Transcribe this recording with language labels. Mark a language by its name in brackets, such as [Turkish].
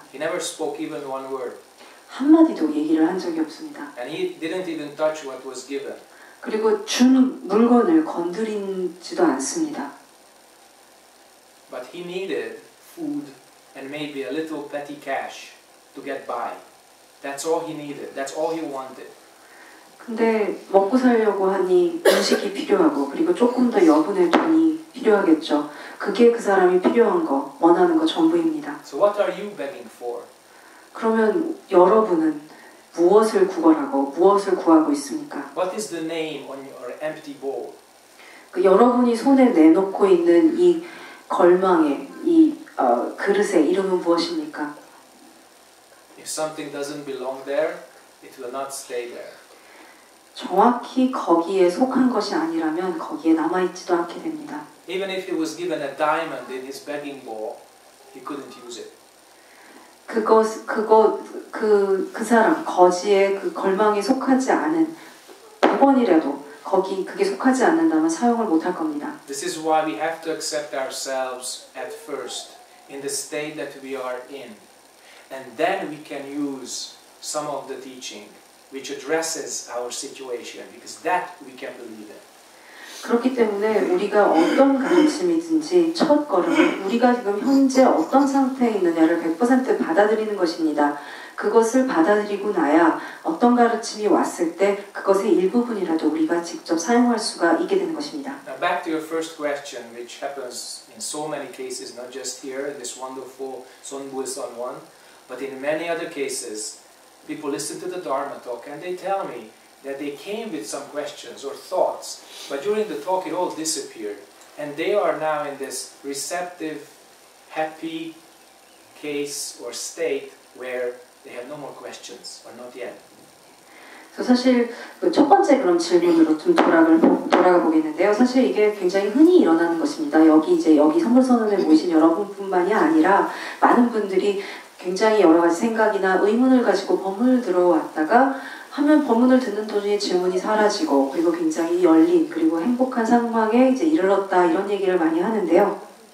[English] He never spoke even one word. [Korean] 한마디도 얘기를 한 적이 없습니다. [English] And he didn't even touch what was given. [Korean] 그리고 준 물건을 건드리지도 않습니다. [English] But he needed food and maybe a little petty cash to get by. That's all he needed. That's all he wanted. [Korean] 근데 먹고 살려고 하니 음식이 필요하고 그리고 조금 더 여분의 돈이 필요하겠죠. 그게 그 사람이 필요한 거, 원하는 거 전부입니다. [English] So what are you begging for? [Korean] 그러면 여러분은 무엇을 구걸하고 무엇을 구하고 있습니까? [English] What is the name on your empty bowl? [Korean] 그 여러분이 손에 내놓고 있는 이 걸망에 이 그릇의 이름은 무엇입니까? [English] If something doesn't belong there, it will not stay there. [Korean] 정확히 거기에 속한 것이 아니라면 거기에 남아 있지도 않게 됩니다. [English] Even if he was given a diamond in his begging bowl, he couldn't use it. [Korean] 그 사람 거지의 그 걸망에 속하지 않은 100원이라도 거기 그게 속하지 않는다면 사용을 못할 겁니다. [English] This is why we have to accept ourselves at first in the state that we are in, and then we can use some of the teaching. Which addresses our situation, because that we can believe in. [Korean] 그렇기 때문에 우리가 어떤 가르침이든지 첫 걸음, 우리가 지금 현재 어떤 상태에 있느냐를 100% 받아들이는 것입니다. 그것을 받아들이고 나야 어떤 가르침이 왔을 때 그것의 일부분이라도 우리가 직접 사용할 수가 있게 되는 것입니다. [English] Now back to your first question, which happens in so many cases, not just here in this wonderful Soeng Bul Sa one, but in many other cases. People listen to the Dharma talk and they tell me that they came with some questions or thoughts, but during the talk it all disappeared. And they are now in this receptive, happy case or state where they have no more questions or not yet. [Korean] So, 사실 그 첫 번째 그런 질문으로 좀 돌아가 보겠는데요. 사실 이게 굉장히 흔히 일어나는 것입니다. 여기 선물선언을 모신 여러분뿐만이 아니라 많은 분들이 굉장히 여러 가지 생각이나 의문을 가지고 법문을 들어왔다가 하면 법문을 듣는 도중에 질문이 사라지고 그리고 굉장히 열린 그리고 행복한 상황에 이제 이르렀다 이런 얘기를 많이 하는데요.